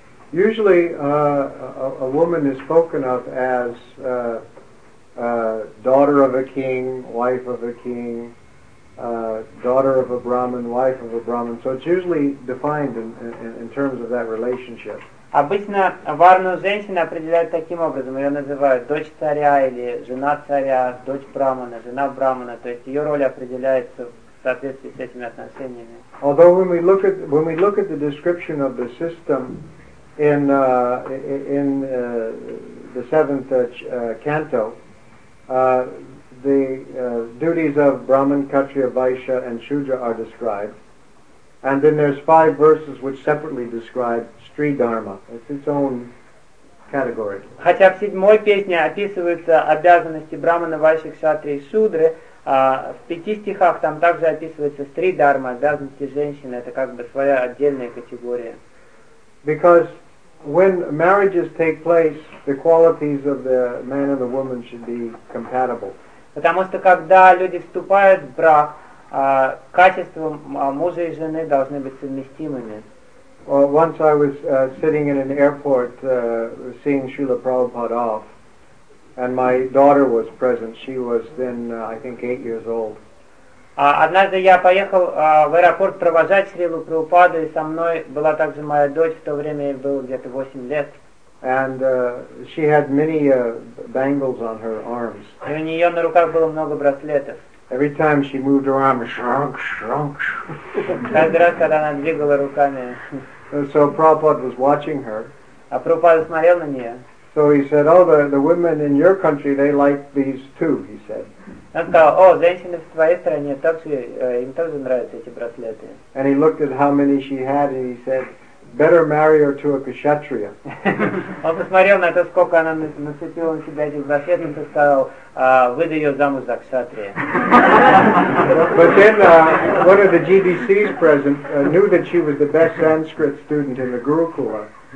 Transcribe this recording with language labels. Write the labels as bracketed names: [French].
[English] Usually, a woman is spoken of as daughter of a king, wife of a king, daughter of a Brahmin, wife of a Brahmin. So it's usually defined in terms of that relationship. [Russian] Обычно варну женщины определяют таким образом. Ее называют дочь царя или жена царя, дочь брахмана, жена брахмана. То есть ее роль определяется в соответствии с этими отношениями. [English] Although when we look at the description of the system in the seventh canto, the duties of Brahman, Kshatriya, Vaishya, and Shudra are described, and then there's five verses which separately describe Stri Dharma. It's its own category. [Russian] Хотя в седьмой песне описываются обязанности Брахмана, Вайши, Кшатри и Шудры, в пяти стихах там также описывается Стри Дарма, обязанности женщины. Это как бы своя отдельная категория. [English] Because when marriages take place, the qualities of the man and the woman should be compatible. [Russian] Потому что когда люди вступают в брак, качества мужа и жены должны быть совместимыми. [English] Once I was sitting in an airport seeing Srila Prabhupada off, and my daughter was present. She was then, I think, 8 years old. [Russian] Однажды я поехал в аэропорт провожать Шрилу Прабхупаду, и со мной была также моя дочь, в то время ей было где-то 8 лет. [English] And she had many bangles on her arms. [Russian] И у нее на руках было много браслетов. [English] Every time she moved her arm, shrunk. [Russian] Каждый раз, когда она двигала руками. [English] So Prabhupada was watching her. [Russian] А Прабхупада смотрел на нее. [English] So he said, oh, the women in your country, they like these too, he said. [Russian] Он сказал, о, женщины в твоей стране, им тоже нравятся эти браслеты. [English] And he looked at how many she had and he said, better marry her to a kshatriya. [Russian] Он посмотрел на то, сколько она нацепила на себя этих браслетов и сказал, выдай ее замуж за кшатрия. [English] But then one of the GBCs present knew that she was the best Sanskrit student in the Gurukula.